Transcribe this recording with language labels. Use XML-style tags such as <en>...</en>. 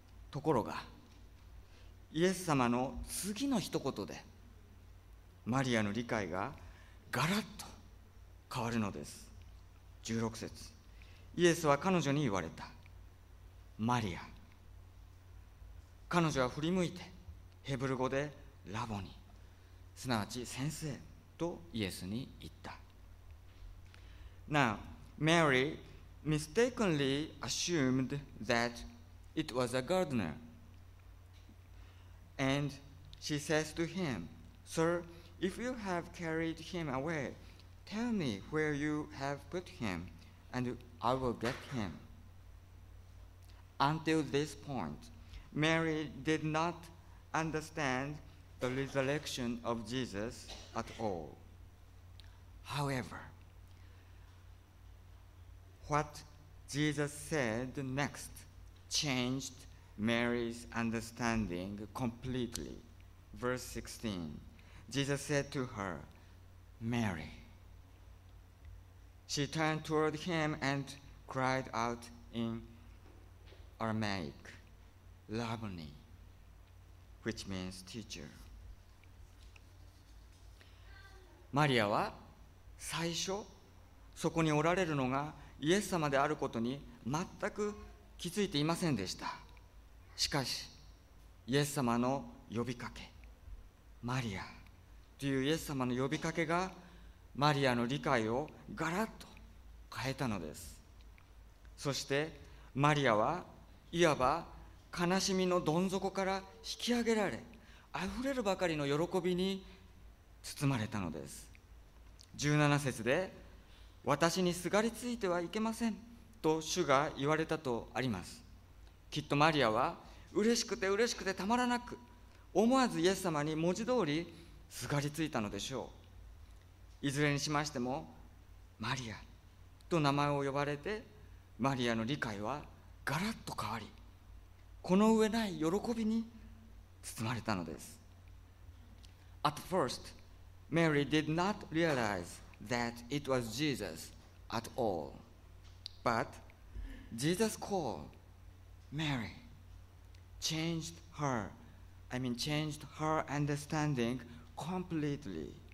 <ja>ところがイエス様の次の一言でマリアの理解がガラッと変わるのです。 16節、イエスは彼女に言われた。マリア。彼女は振り向いてヘブル語でラボニ、すなわち先生とイエスに言った。</ja> <en>Now, Mary mistakenly assumed thatIt was a gardener. And she says to him, Sir, if you have carried him away, tell me where you have put him, and I will get him. Until this point, Mary did not understand the resurrection of Jesus at all. However, what Jesus said next,changed Mary's understanding completely. Verse 16, Jesus said to her, Mary. She turned toward him and cried out in Aramaic, Rabboni, which means teacher.</en> <ja>マリアは最初そこにおられるのがイエス様であることに全く気づいていませんでした。しかしイエス様の呼びかけ、マリアというイエス様の呼びかけがマリアの理解をガラッと変えたのです。そしてマリアはいわば悲しみのどん底から引き上げられ、あふれるばかりの喜びに包まれたのです。 17節で私にすがりついてはいけませんと主が言われたとあります。きっとマリアは嬉しくて嬉しくてたまらなく、思わずイエス様に文字通りすがりついたのでしょう。いずれにしましてもマリアと名前を呼ばれて、マリアの理解はガラッと変わり、この上ない喜びに包まれたのです。</ja> <en>At first Mary did not realize that it was Jesus at all, but Jesus' call Mary changed her changed her understanding completely.</en>